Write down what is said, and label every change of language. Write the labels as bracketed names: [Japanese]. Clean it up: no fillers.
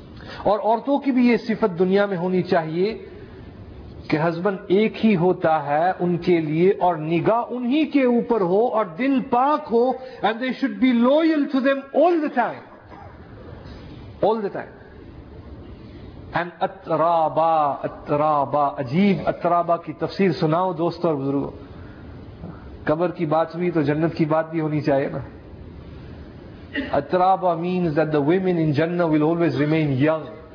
[Urdu] اور عورتوں کی بھی یہ صفت دنیا میں ہونی چاہیے کہ ہسبینڈ ایک ہی ہوتا ہے ان کے لیے اور نگاہ انہی کے اوپر ہو اور دل پاک ہو. [English] And they should be loyal to them all the time. And [Urdu] اترابا عجیب اترابا کی تفسیر سناؤ دوستو اور بزرگو. قبر کی بات بھی تو جنت کی بات بھی ہونی چاہیے نا. [English] Atraba means that the women in Jannah will always remain young.